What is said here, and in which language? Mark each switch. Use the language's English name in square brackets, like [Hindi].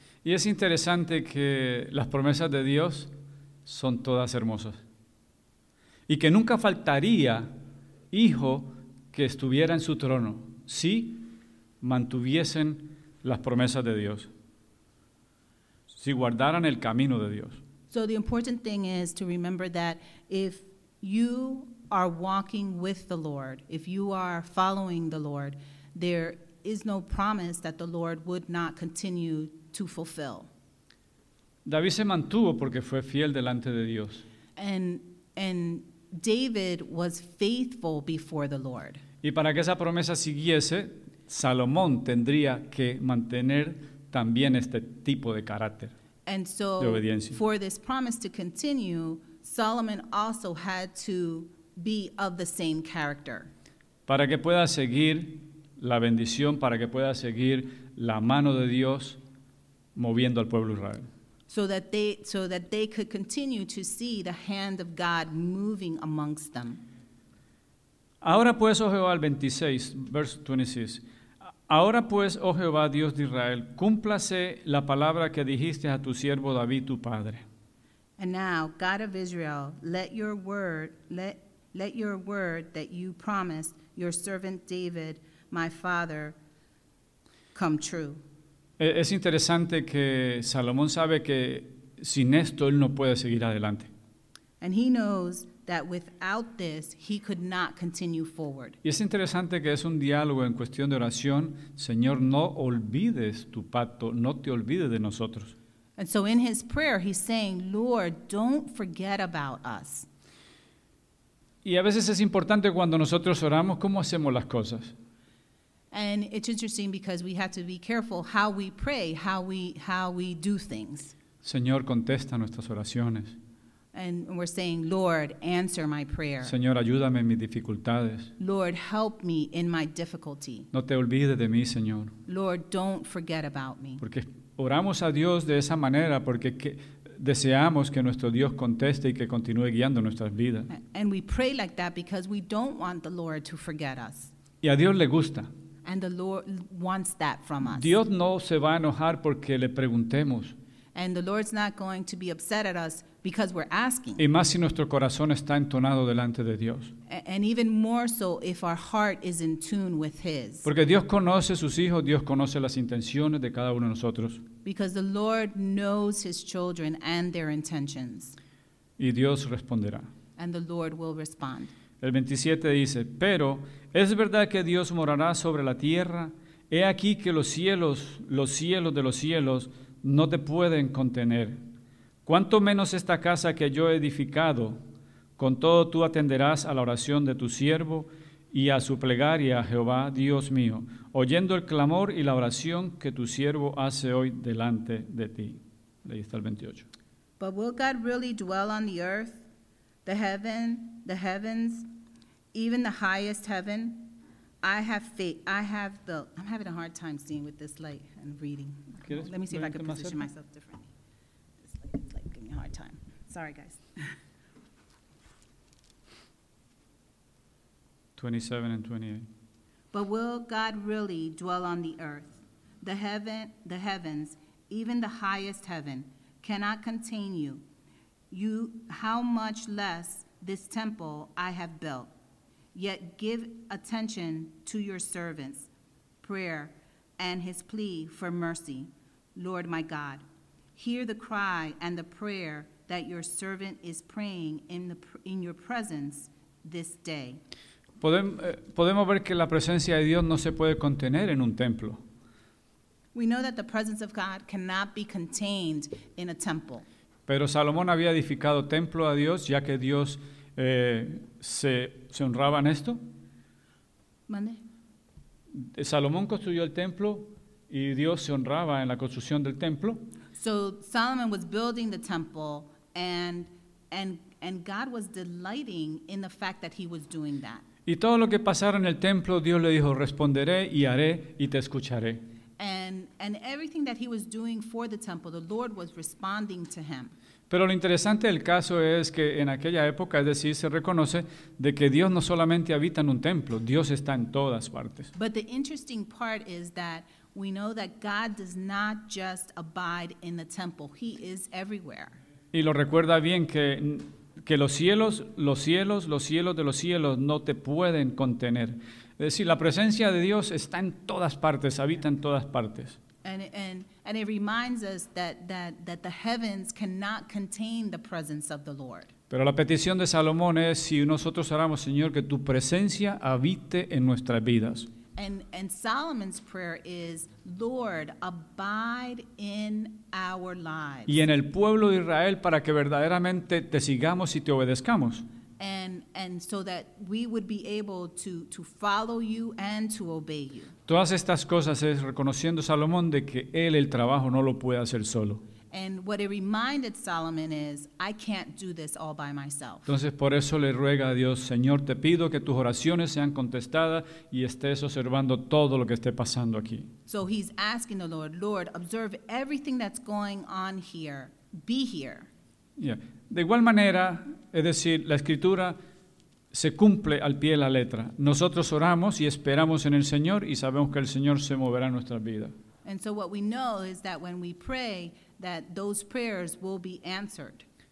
[Spanish] Y es interesante que las promesas de Dios son todas hermosas. Y que nunca faltaría hijo que estuviera en su trono si mantuviesen las promesas de Dios, si guardaran el camino de Dios. [English] So the important thing is to remember that if you are walking with the Lord, if you are following the Lord, there is no promise that the Lord would not continue to fulfill. [Spanish] David se mantuvo porque fue fiel delante de Dios. [English] And David was faithful before the Lord. [Spanish] Y para que esa promesa siguiese, Salomón tendría que mantener también este tipo de carácter, [English] and so, [Spanish] de obediencia. [English] For this promise to continue, Solomon also had to be of the same character. [Spanish] Para que pueda seguir la bendición, para que pueda seguir la mano de Dios moviendo al pueblo Israel. [English] So that they could continue to see the hand of God moving amongst them. [Spanish] Ahora pues, oh Jehová, el 26, [English] verse 26. [Spanish] Ahora pues, oh Jehová, Dios de Israel, cúmplase la palabra que dijiste a tu siervo David, tu padre. [English] And now, God of Israel, let your word that you promised your servant David, my father, come true. [Spanish] Es interesante que Salomón sabe que sin esto él no puede seguir adelante. [English] And he knows that without this he could not continue forward. [Spanish] Y es interesante que es un diálogo en cuestión de oración, Señor, no olvides tu pacto, no te olvides de nosotros. [English] And so in his prayer he's saying, Lord, don't forget about us. [Spanish] Y a veces es importante cuando nosotros oramos cómo hacemos las cosas. [English] And it's interesting because we have to be careful how we pray, how we do things. [Spanish] Señor, contesta nuestras oraciones. [English] And we're saying, Lord, answer my prayer. [Spanish] Señor, ayúdame en mis dificultades. [English] Lord, help me in my difficulty. [Spanish] No te olvides de mí, Señor. [English] Lord, don't forget about me. [Spanish] Porque oramos a Dios de esa manera porque deseamos que nuestro Dios conteste y que continúe guiando nuestras vidas. [English] And we pray like that because we don't want the Lord to forget us. [Spanish] Y a Dios le gusta. [English] And the Lord wants that from us. [Spanish] Dios no se va a enojar porque le preguntemos. [English] And the Lord's not going to be upset at us because we're asking. [Spanish] Y más si nuestro corazón está entonado delante de Dios. [English] And even more so if our heart is in tune with His. [Spanish] Porque Dios conoce sus hijos, Dios conoce las intenciones de cada uno de nosotros. [English] Because the Lord knows His children and their intentions. [Spanish] Y Dios responderá. [English] And the Lord will respond. [Spanish] El 27 dice, pero es verdad que Dios morará sobre la tierra. He aquí que los cielos de los cielos no te pueden contener. Cuanto menos esta casa que yo he edificado, con todo tú atenderás a la oración de tu siervo y a su plegaria, Jehová, Dios mío, oyendo el clamor y la oración que tu siervo hace hoy delante de ti. Ahí está el 28. [English] But will God really dwell on the earth, the heavens, even the highest heaven? I'm having a hard time seeing with this light and reading. Let me see if I can position myself differently. This light is like giving me a hard time. Sorry, guys. 27 and 28. But will God really dwell on the earth? The heavens, even the highest heaven, cannot contain you. You, how much less this temple I have built. Yet give attention to your servant's prayer and his plea for mercy. Lord my God, hear the cry and the prayer that your servant is praying in your presence this day. [Spanish] Podemos ver que la presencia de Dios no se puede contener en un templo. [English] We know that the presence of God cannot be contained in a temple. [Spanish] Pero Salomón había edificado templo a Dios, ya que Dios se honraba en esto. ¿Mande? Salomón construyó el templo y Dios se honraba en la construcción del templo. [English] So Solomon was building the temple and God was delighting in the fact that he was doing that. [Spanish] Y todo lo que pasara en el templo, Dios le dijo, responderé y haré y te escucharé. [English] And everything that he was doing for the temple, the Lord was responding to him. [Spanish] Pero lo interesante del caso es que en aquella época, es decir, se reconoce de que Dios no solamente habita en un templo, Dios está en todas partes. [English] But the interesting part is that we know that God does not just abide in the temple. He is everywhere. [Spanish] Y lo recuerda bien que los cielos de los cielos no te pueden contener. Es decir, la presencia de Dios está en todas partes, habita en todas partes. [English] And it reminds us that the heavens cannot contain the presence of the Lord. [Spanish] Pero la petición de Salomón es, si nosotros oramos, Señor, que tu presencia habite en nuestras vidas. [English] And Solomon's prayer is, Lord, abide in our lives. [Spanish] Y en el pueblo de Israel para que verdaderamente te sigamos y te obedezcamos. [English] And so that we would be able to follow you and to obey you. [Spanish] Todas estas cosas es reconociendo Salomón de que él el trabajo no lo puede hacer solo. [English] And what it reminded Solomon is, I can't do this all by myself. [Spanish] Entonces por eso le ruega a Dios, Señor, te pido que tus oraciones sean contestadas y estés observando todo lo que esté pasando aquí. [English] So he's asking the Lord, Lord, observe everything that's going on here. Be here. Yeah. [Spanish] De igual manera, es decir, la escritura se cumple al pie de la letra. Nosotros oramos y esperamos en el Señor y sabemos que el Señor se moverá en nuestras vidas. [English] And so what we know is that when we pray, that those prayers will be answered.